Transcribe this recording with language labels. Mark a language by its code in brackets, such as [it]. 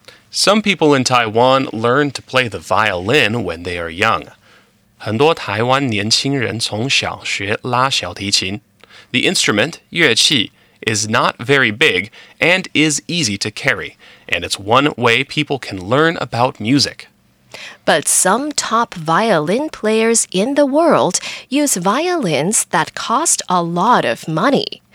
[en] Some people in Taiwan learn to play the violin when they are young. [zh] 很多台湾年轻人从小学拉小提琴。 [en] The instrument, 乐器, is not very big and is easy to carry, and it's one way people can learn about music. But some top violin players in the world use violins that cost a lot of money.